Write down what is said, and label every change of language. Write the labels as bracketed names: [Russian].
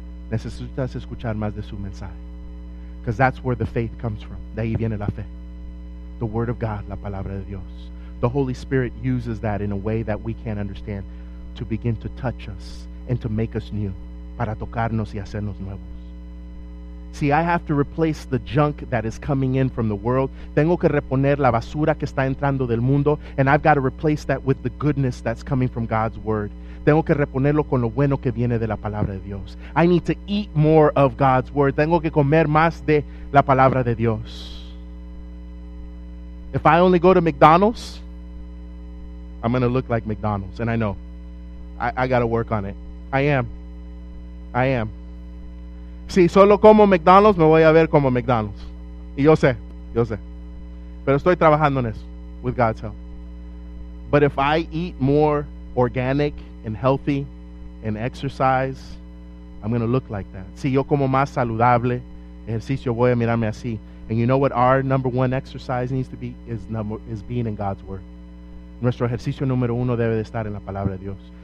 [Spanish] Necesitas escuchar más de su mensaje. [English] Because that's where the faith comes from. [Spanish] De ahí viene la fe. [English] The word of God, [Spanish] la palabra de Dios. [English] The Holy Spirit uses that in a way that we can't understand to begin to touch us and to make us new. [Spanish] Para tocarnos y hacernos nuevos. [English] See, I have to replace the junk that is coming in from the world. [Spanish] Tengo que reponer la basura que está entrando del mundo. [English] And I've got to replace that with the goodness that's coming from God's word. [Spanish] Tengo que reponerlo con lo bueno que viene de la palabra de Dios. [English] I need to eat more of God's word. [Spanish] Tengo que comer más de la palabra de Dios. [English] If I only go to McDonald's, I'm going to look like McDonald's. And I know. I got to work on it. I am. [Spanish] Si solo como McDonald's, me voy a ver como McDonald's. Y yo sé. Pero estoy trabajando en eso, [English] with God's help. But if I eat more organic and healthy and exercise, I'm going to look like that. [Spanish] Si yo como más saludable, ejercicio, voy a mirarme así. [English] And you know what our number one exercise needs to be? Is being in God's word. [Spanish] Nuestro ejercicio número uno debe de estar en la palabra de Dios.